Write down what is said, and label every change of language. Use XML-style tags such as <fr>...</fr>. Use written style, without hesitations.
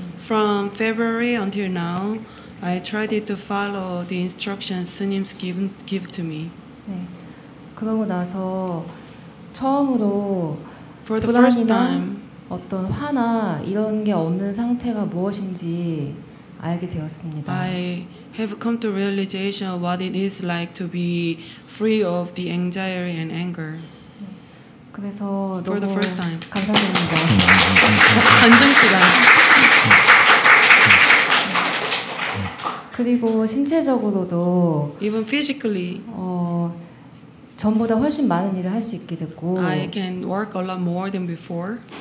<en>from February until now I tried to follow the instructions 스님's give to me.</en> <ko>네. 그러고 나서 처음으로</ko> <en>for the first time</en> <ko>어떤 화나 이런 게 없는 상태가 무엇인지 알게 되었습니다.</ko> <en>I have come to realization of what it is like to be free of the anxiety and anger.</en> <ko>그래서 너무</ko> <en>For the first time.</en> <ko>감사드립니다. 반전 시간. 그리고 신체적으로도</ko> <en>Even physically.</en> <ko>전보다 훨씬 많은 일을 할 수 있게 됐고</ko> <en>I can work a lot more than before.</en>